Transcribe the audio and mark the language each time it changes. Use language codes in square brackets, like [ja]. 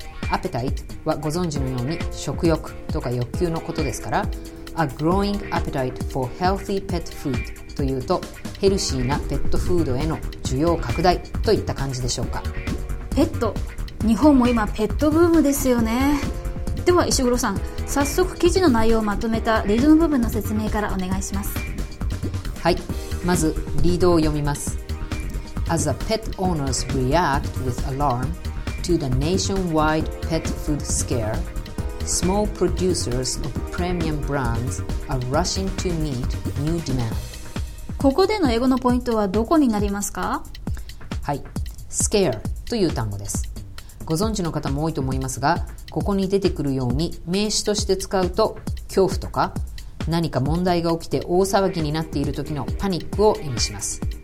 [ja] Appetite はご存知のように食欲とか欲求のことですから、 [en] A Growing Appetite for Healthy Pet Food [ja] というとヘルシーなペットフードへの需要拡大といった感じでしょうか。ペット、日本も今ペットブームですよね。では石黒さん、早速記事の内容をまとめたリードの部分の説明からお願いします。はい、まずリードを読みます。 [en] As the pet owners react with alarm to the nationwide pet food scare, small producers of premium brands are rushing to meet new demand。 [ja] ここでの英語のポイントはどこになりますか？はい、 scare という単語です。ご存知の方も多いと思いますが、ここに出てくるように名詞として使うと恐怖とか何か問題が起きて大騒ぎになっている時のパニックを意味します。